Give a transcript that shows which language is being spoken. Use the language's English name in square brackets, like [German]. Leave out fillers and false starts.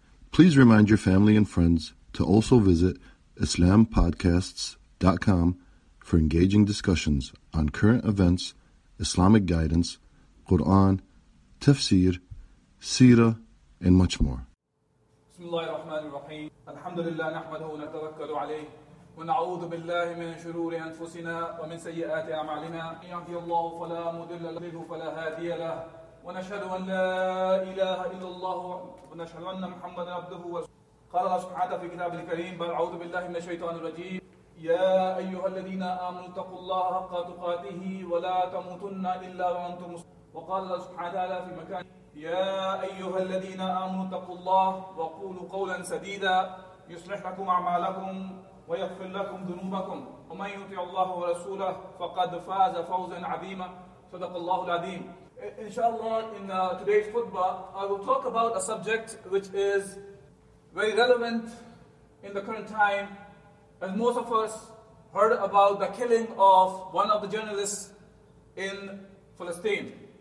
[English] Please remind your family and friends to also visit islampodcasts.com for engaging discussions on current events, Islamic guidance, Quran, tafsir, seerah, and much more. [Arabic] بسم الله الرحمن الرحيم الحمد لله نحمده ونتوكل عليه ونعوذ بالله من شرور أنفسنا ومن سيئات أعمالنا من يهده الله فلا مضل له فلا هادي له ونشهد أن لا إله إلا الله ونشهد أن محمدا عبده ورسوله قال الله سبحانه في كتابه الكريم بل أعوذ بالله من الشيطان الرجيم يا أيها الذين آمنوا اتقوا الله حق تقاته ولا تموتن إلا وأنتم مسلمون وقال الله سبحانه وتعالى في مكان يا أيها الذين آمنوا اتقوا الله وقولوا قولا سديدا يصلح لكم أعمالكم ويغفر لكم ذنوبكم ومن يطع الله ورسوله فقد فاز فوزا عظيما صدق الله العظيم. [English] Inshallah, in today's khutbah, I will talk about a subject which is very relevant in the current time, as most of us heard about the killing of one of the journalists in Palestine.